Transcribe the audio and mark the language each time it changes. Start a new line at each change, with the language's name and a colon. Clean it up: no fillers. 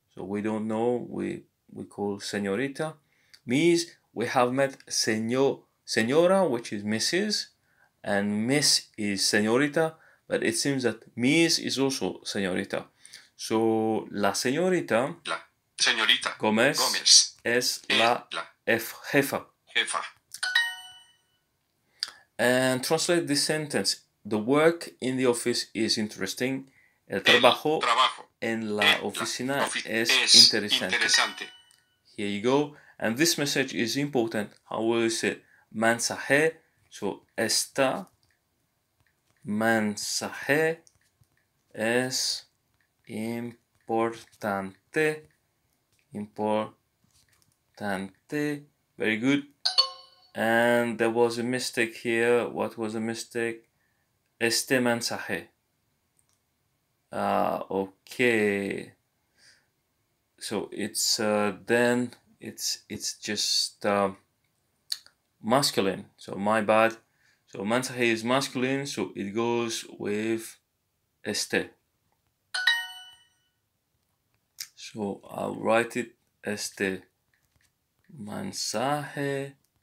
English: So we don't know, we call señorita. Ms., we have met señora, which is Mrs., and Miss is señorita, but it seems that Miss is also señorita. So la señorita,
Spanish: Señorita. Gómez. Es la jefa. Jefa.
English: And translate this sentence. The work in the office is interesting.
Spanish: El trabajo en la oficina es interesante.
English: Here you go. And this message is important. How will you say mensaje?
Spanish: So, esta mensaje es importante. Importante.
English: Very good. And there was a mistake here. What was the mistake?
Spanish: Este mensaje. Okay.
English: So it's then it's just masculine. So my bad. So mensaje is masculine. So it goes with este. So I'll write it
Spanish: este mensaje.